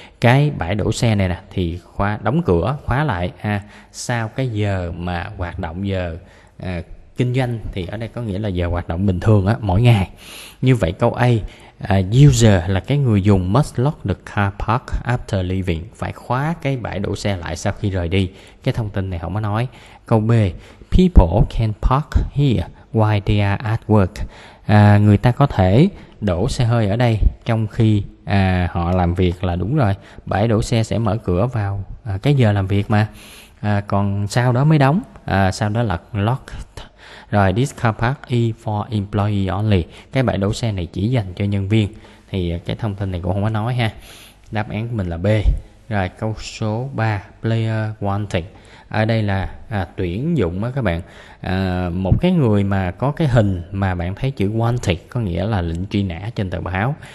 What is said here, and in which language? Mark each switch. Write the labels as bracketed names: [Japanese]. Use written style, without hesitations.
[Vietnamese] Cái bãi đỗ xe này nè thì khóa, đóng cửa khóa lại sau cái giờ mà hoạt động giờ kinh doanh, thì ở đây có nghĩa là giờ hoạt động bình thường á, mỗi ngày. Như vậy câu A, user là cái người dùng [English] must lock the car park after leaving, [Vietnamese] phải khóa cái bãi đỗ xe lại sau khi rời đi. Cái thông tin này không có nói. [English] Câu B, people can park here while they are at work. [Vietnamese] Người ta có thể đổ xe hơi ở đây trong khi họ làm việc là đúng rồi. Bãi đỗ xe sẽ mở cửa vào cái giờ làm việc mà. Còn sau đó mới đóng. Sau đó là locked. [English] Rồi, this car park is for employee only. [Vietnamese] Cái bãi đỗ xe này chỉ dành cho nhân viên. Thì cái thông tin này cũng không có nói ha. Đáp án của mình là B. Rồi, câu số 3, [English] player wanting. [Vietnamese] Ở đây là tuyển dụng á các bạn. Một cái người mà có cái hình mà bạn thấy chữ wanted, có nghĩa là lệnh truy nã trên tờ báo.